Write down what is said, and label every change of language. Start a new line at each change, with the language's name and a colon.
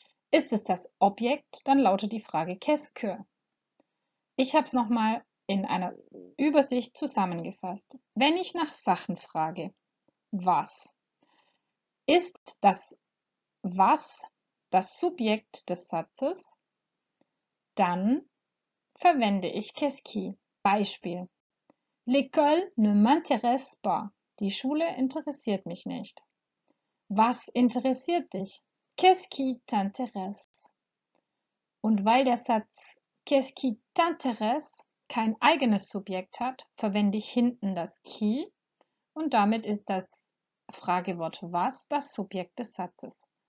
German: Ist es das Objekt, dann lautet die Frage
French: qu'est-ce que.
German: Ich habe es nochmal in einer Übersicht zusammengefasst. Wenn ich nach Sachen frage, was? Ist das was das Subjekt des Satzes? Dann verwende ich
French: Keski. Beispiel: L'école ne m'intéresse pas.
German: Die Schule interessiert mich nicht. Was interessiert dich?
French: Keski t'intéresse.
German: Und weil der Satz Keski t'intéresse kein eigenes Subjekt hat, verwende ich hinten das qui und damit ist das Fragewort was das Subjekt des Satzes.